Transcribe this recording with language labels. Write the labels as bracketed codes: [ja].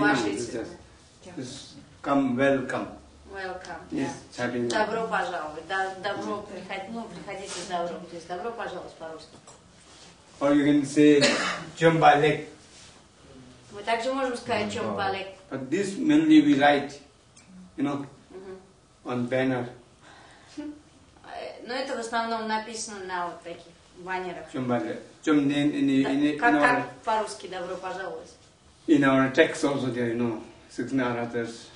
[en] важный. Come, welcome. Welcome. Yes, [ru] добро пожаловать. Добро приходить. Ну, приходите с добром. То есть, добро пожаловать по-русски. [en] Or you can say, Jumbalek. [ru] Мы также можем сказать Jumbalek. [en] But this mainly we write, you know, on banner. [ru] Но это в основном написано на вот таких баннерах. [bo] Jumbalek. Jumbalek. [ru] Как по-русски добро пожаловать? [en] In our text also there, you know, Sikhna Arathas.